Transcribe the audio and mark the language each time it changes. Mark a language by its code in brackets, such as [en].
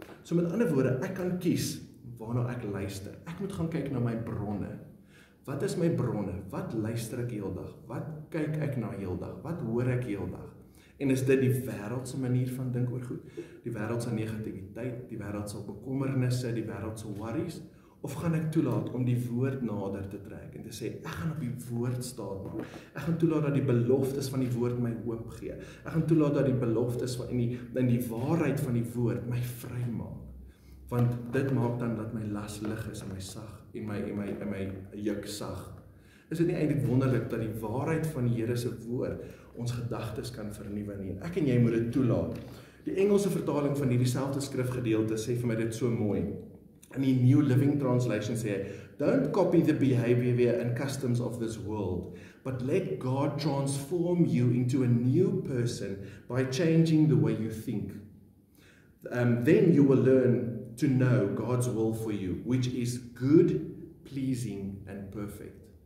[af] So met ander woorde, ek kan kies waarna ek luister. Ek moet gaan kyk na my bronne. Wat is my bronne? Wat luister ek heeldag? Wat kyk ek na heeldag? Wat hoor ek heeldag? En is dit die wêreldse manier van dink oor goed? Die wêreldse negativiteit, die wêreldse bekommernisse, die wêreldse worries? Of gaan ek toelaat om die woord nader te trek en te sê, ek gaan op die woord staan maak. Ek gaan toelaat dat die beloftes van die woord my hoop gee. Ek gaan toelaat dat die beloftes van in die waarheid van die woord my vry maak. Want dit maak dan dat my las lig is en my sag en my juk sag. Is dit nie eintlik wonderlik dat die waarheid van die Here se woord ons gedagtes kan vernuwe nie? En ek en jy moet dit toelaat. Die Engelse vertaling van hierdie selfde skrifgedeelte sê vir my dit so mooi. In die New Living Translation sê, [en] don't copy the behavior and customs of this world, but let God transform you into a new person by changing the way you think. Then you will learn to know God's will for you, which is good, pleasing and perfect.